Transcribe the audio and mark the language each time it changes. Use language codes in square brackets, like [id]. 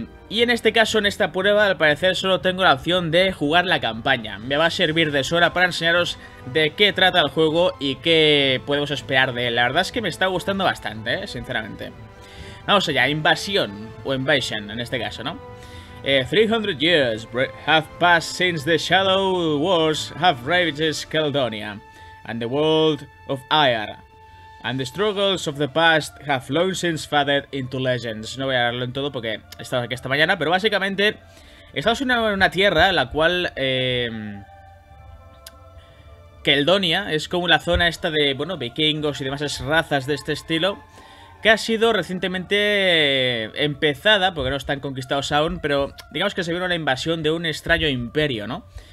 [es] Y en este caso, en esta prueba, al parecer solo tengo la opción de jugar la campaña. Me va a servir de sobra para enseñaros de qué trata el juego y qué podemos esperar de él. La verdad es que me está gustando bastante, sinceramente. Vamos allá, invasión, o invasion en este caso, ¿no? [en] 300 years have passed since the Shadow Wars have ravaged Caledonia and the world of Ayar, and the struggles of the past have long since faded into legends. [es] No voy a darlo en todo porque he estado aquí esta mañana, pero básicamente estamos en una tierra en la cual Caledonia es como la zona esta de, bueno, vikingos y demás razas de este estilo, que ha sido recientemente empezada, porque no están conquistados aún, pero digamos que se vio una invasión de un extraño imperio, ¿no?